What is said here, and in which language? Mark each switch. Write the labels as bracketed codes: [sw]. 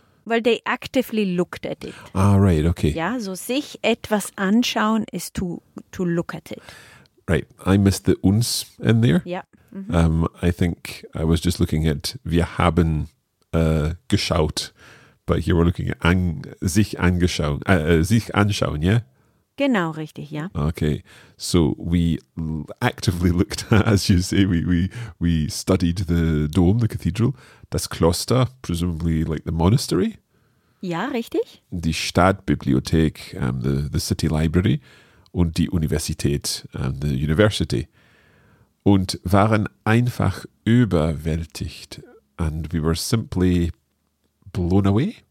[en] Well, they actively looked at it. Ah, right, okay. [de] Ja, so sich etwas anschauen ist [en] to look at it. Right, I missed the uns in there. Yeah. Mm-hmm. I think I was just looking at [de] wir haben geschaut, [en] but here we're looking at [de] sich anschauen, [en] yeah? [de] Genau, richtig, ja. [en] Okay, so we actively looked at, as you say, we studied the dome, the cathedral, [de] das Kloster, [en] presumably like the monastery. [de] Ja, richtig. Die Stadtbibliothek, [en] the city library, [de] und die Universität, [en] the university. [de] Und waren einfach überwältigt. [en] And we were simply blown away.